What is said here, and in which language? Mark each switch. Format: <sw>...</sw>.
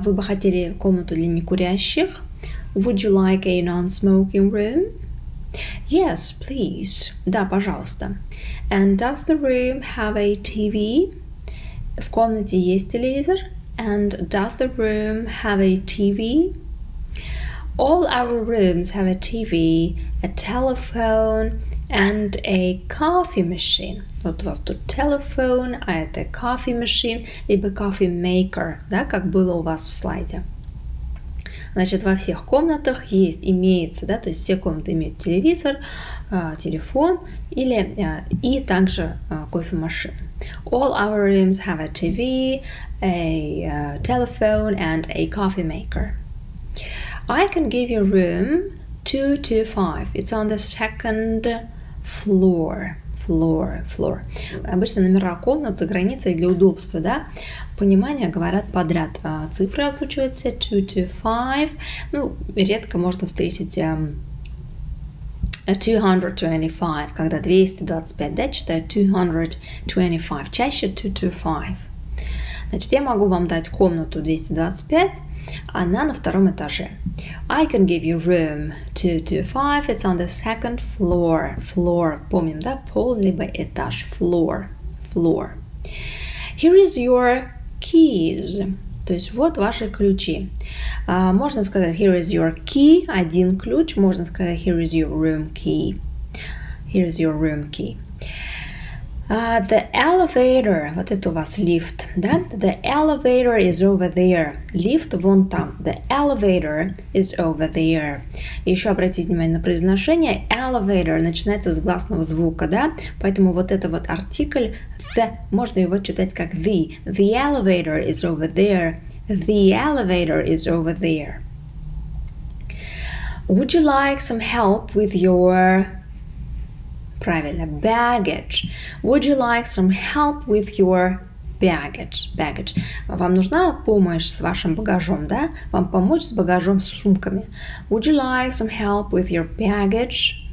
<ru>Вы бы хотели комнату для некурящих.</ru> <en>Would you like a non-smoking room? Yes, please.</en> <ru>Да, пожалуйста.</ru> <en>And does the room have a TV?</en> <ru>В комнате есть телевизор.</ru> <en>And does the room have a TV? All our rooms have a TV, a telephone, and a coffee machine.</en> <ru>Вот у вас тут телефон, а это coffee machine, либо coffee maker, да, как было у вас в слайде. Значит, во всех комнатах есть, имеется, да, то есть все комнаты имеют телевизор, телефон или и также кофемашину.</ru> <en>All our rooms have a TV, a telephone and a coffee maker. I can give you room 225. It's on the second floor. Floor.</en> <ru>Обычно номера комнат за границей для удобства, да, понимания говорят подряд. Цифры озвучиваются 225. Ну, редко можно встретить 225, когда 225, да, читают 225. Чаще 225. Значит, я могу вам дать комнату 225, она на втором этаже.</ru> <en>I can give you room 225, it's on the second floor.</en> <ru>Floor, помним, да, пол, либо этаж. Floor, floor.</ru> <en>Here is your keys.</en> <ru>То есть вот ваши ключи. Можно сказать</ru> <en>here is your key,</en> <ru>один ключ. Можно сказать</ru> <en>here is your room key. Here is your room key. The elevator,</en> <ru>вот это у вас лифт, да?</ru> <en>The elevator is over there.</en> <ru>Лифт вон там.</ru> <en>The elevator is over there.</en> <ru>Еще обратите внимание на произношение. Elevator начинается с гласного звука, да? Поэтому вот это вот артикль the, можно его читать как the.</ru> <en>The elevator is over there. The elevator is over there. Would you like some help with your... Правильно, baggage. Would you like some help with your baggage? Baggage.</en> <ru>Вам нужна помощь с вашим багажом, да? Вам помочь с багажом, с сумками.</ru> <en>Would you like some help with your baggage?</en>